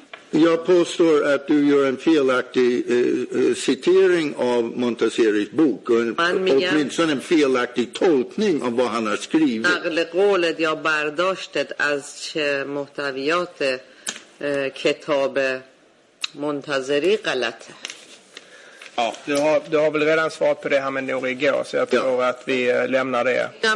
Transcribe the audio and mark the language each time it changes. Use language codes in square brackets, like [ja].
[sv] Jag påstår att du gör en felaktig citering av Montazeris bok och åtminstone en felaktig tolkning av vad han har skrivit. [fa] نقل قولت یا برداشتت از محتویات کتاب منتظری غلطه. [sv] Ja, du har väl redan svarat på det här med Nouri igår, så jag tror att vi lämnar det.